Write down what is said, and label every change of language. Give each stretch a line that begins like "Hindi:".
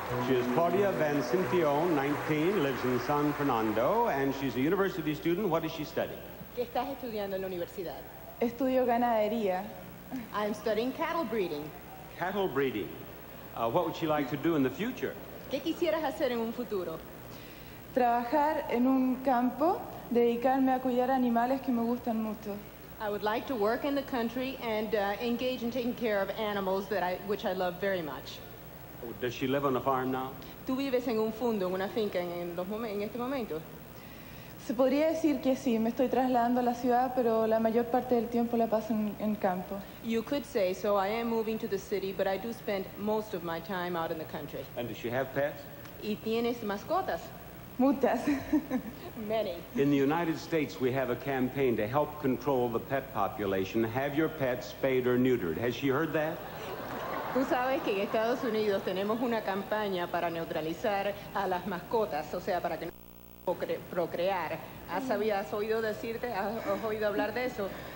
English: She is Claudia Vancintion, 19, lives in San Fernando, and she's a university student. What does she study?
Spanish: ¿Qué estás estudiando en la universidad? Estudio ganadería.
English: I'm studying cattle breeding. Cattle breeding. What would she like to do in the future?
Spanish: ¿Qué quisieras hacer en un futuro? Trabajar en un campo, dedicarme a cuidar animales que me gustan mucho.
English: I would like to work in the country and engage in taking care of animals which I love very much. Does she live on a farm now?
Spanish: ¿Tú vives en un fundo, en una finca, en este momento? Se podría decir que sí, me estoy trasladando a la ciudad, pero la mayor parte del tiempo la paso en campo.
English: You could say so, I am moving to the city, but I do spend most of my time out in the country. And does she have pets?
Spanish: ¿Y tienes mascotas? Muchas.
English: Many. In the United States, we have a campaign to help control the pet population. Have your pets spayed or neutered. Has she heard that?
Spanish: Tú sabes que en Estados Unidos tenemos una campaña para neutralizar a las mascotas, o sea, para que no procrear. ¿Has oído decirte, has oído hablar de eso?